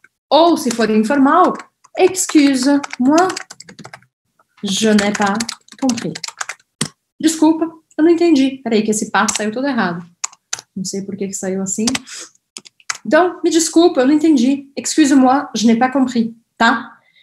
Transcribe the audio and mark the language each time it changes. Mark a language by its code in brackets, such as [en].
[pt] Ou, se for informal, [fr] excuse-moi, je n'ai pas compris. [pt] Desculpa, eu não entendi. Peraí, que esse par saiu todo errado. Não sei por que saiu assim. Então, me desculpa, eu não entendi. [fr] Excuse-moi, je n'ai pas compris, tá?